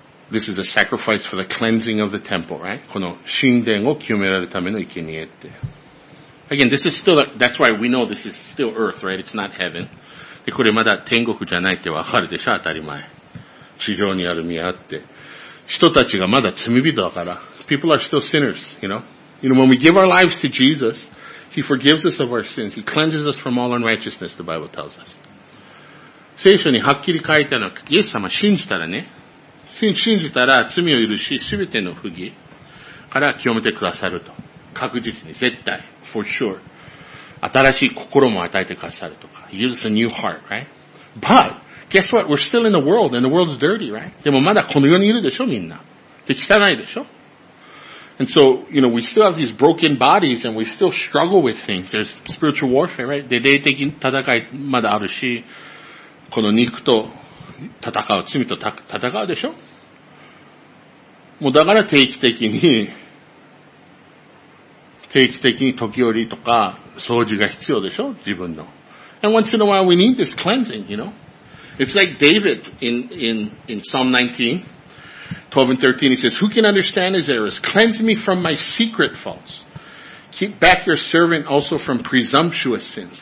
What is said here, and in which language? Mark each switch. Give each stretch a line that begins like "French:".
English: This is a sacrifice for the cleansing of the temple, right?
Japanese: この神殿を清められるための生贄って。
English: Again, this is still, that's why we know this is still earth, right? It's not heaven.
Japanese: で、これまだ天国じゃないってわかるでしょ、当たり前。地上にある宮あって、人たちがまだ罪人だから。
English: People are still sinners, you know. You know, when we give our lives to Jesus, He forgives us of our sins. He cleanses us from all unrighteousness, the Bible tells us.
Japanese: 聖書にはっきり書いてあるのは、イエス様信じたらね、信じたら罪を許し、すべての不義から清めてくださると。確実に、絶対、
English: for sure。
Japanese: 新しい心も与えてくださるとか。
English: He gives us a new heart, right? But, guess what? We're still in the world, and the world's dirty, right?
Japanese: でもまだこの世にいるでしょ、みんな。で、汚いでしょ。
English: And so, you know, we still have these broken bodies, and we still struggle with things. There's spiritual warfare, right?
Japanese: で、霊的に戦いまだあるし、この肉と戦う、罪と戦うでしょ。もうだから定期的に時折とか掃除が必要でしょ、自分の。
English: And once in a while we need this cleansing, you know. It's like David in Psalm 19, 12 and 13, he says, Who can understand his errors? Cleanse me from my secret faults. Keep back your servant also from presumptuous sins.